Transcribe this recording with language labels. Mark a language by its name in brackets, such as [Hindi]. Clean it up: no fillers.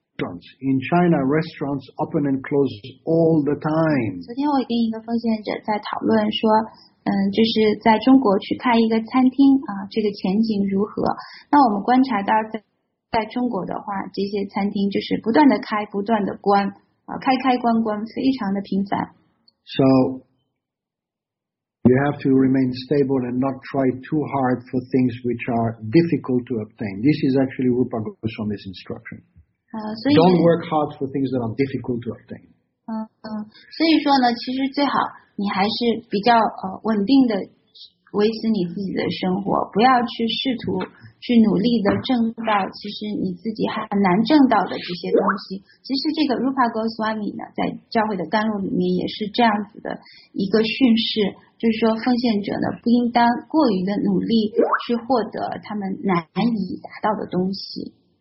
[English] In China, restaurants open and close all the time. [Chinese] 昨天我跟一个奉献者在讨论说，就是在中国去开一个餐厅啊，这个前景如何？那我们观察到在中国的话，这些餐厅就是不断的开，不断的关啊，开开关关，非常的频繁。 [English] So you have to remain stable and not try too hard for things which are difficult to obtain. This is actually Rupa Goswami's instruction. Don't work hard for things that are difficult to obtain. [Chinese] 所以说呢，其实最好你还是比较稳定的维持你自己的生活，不要去试图去努力的挣到其实你自己很难挣到的这些东西。其实这个 Rupa Goswami 呢，在教会的甘露里面也是这样子的一个训示，就是说奉献者呢不应当过于的努力去获得他们难以达到的东西。